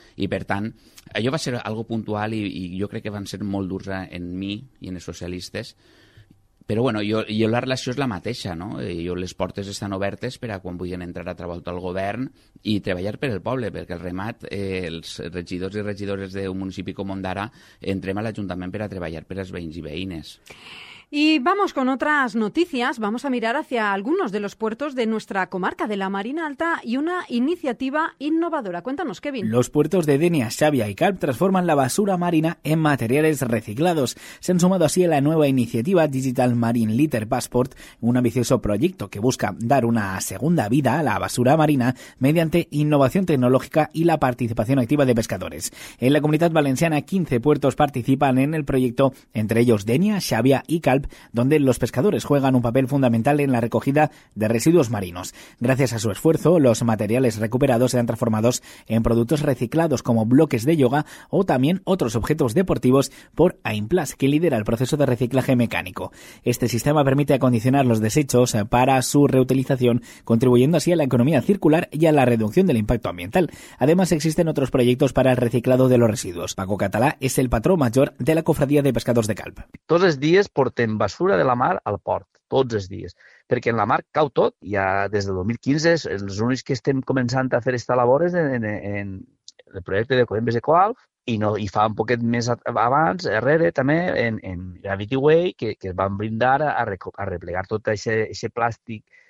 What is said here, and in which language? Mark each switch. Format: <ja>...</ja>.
<ca>I, per tant, allò va ser algo puntual i jo crec que van ser molt durs en mi i en els socialistes. Però bueno, jo la relació és la mateixa, no? Jo les portes estan obertes per a quan vulguin entrar a treballar al govern i treballar per el poble, perquè el remat, els regidors i regidores d'un municipi com Ondara, entrem a l'Ajuntament per a treballar per als veïns i veïnes.</ca> <es>Y vamos con otras noticias. Vamos a mirar hacia algunos de los puertos de nuestra comarca de la Marina Alta y una iniciativa innovadora. Cuéntanos, Kevin. Los puertos de Denia, Xàbia y Calp transforman la basura marina en materiales reciclados. Se han sumado así a la nueva iniciativa Digital Marine Litter Passport, un ambicioso proyecto que busca dar una segunda vida a la basura marina mediante innovación tecnológica y la participación activa de pescadores. En la Comunidad Valenciana, 15 puertos participan en el proyecto, entre ellos Denia, Xàbia y Calp, donde los pescadores juegan un papel fundamental en la recogida de residuos marinos. Gracias a su esfuerzo, los materiales recuperados serán transformados en productos reciclados como bloques de yoga o también otros objetos deportivos por Aimplas, que lidera el proceso de reciclaje mecánico. Este sistema permite acondicionar los desechos para su reutilización, contribuyendo así a la economía circular y a la reducción del impacto ambiental. Además, existen otros proyectos para el reciclado de los residuos. Paco Catalá es el patrón mayor de la cofradía de pescados de Calp. Todos los días</es> <ca>portem basura de la mar al port, tots els dies, perquè en la mar cau tot. Ja des de 2015, els únics que estem començant a fer aquesta labor és en el projecte de Coembes Equal, i fa un poquet més abans, darrere, també, en Gravity Way, que es van brindar a replegar tot aquest plàstic</ca>